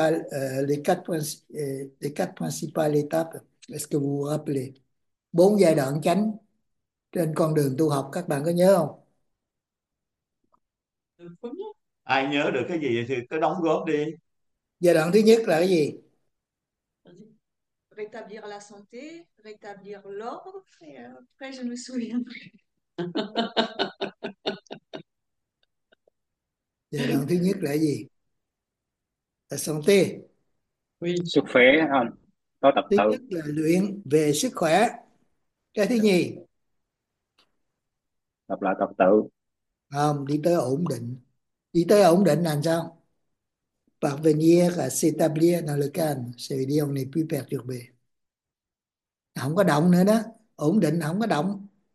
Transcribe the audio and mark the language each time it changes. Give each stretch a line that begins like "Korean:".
French: Les quatre principales étapes, est-ce que vous vous rappelez?
Vietnamese: Bốn giai đoạn chánh trên con đường tu học, các bạn có nhớ không? Ai nhớ được cái gì thì cứ đóng góp đi. Giai đoạn thứ nhất là cái gì?
French: Rétablir la santé, rétablir l'ordre, après je me souviens plus.
Vietnamese: Giai đoạn thứ nhất là gì?
French: La santé.
Vietnamese: Oui, sức khỏe. Đó tập thứ nhất là luyện về sức khỏe. Cái thứ nhì? Tập lại tập tự. Không, đi tới ổn định. Đi tới ổn định là sao?
French: Parvenir à s'établir dans le calme, c'est dire on n'est plus perturbé.
Vietnamese: Không có động nữa đó, ổn định không có động.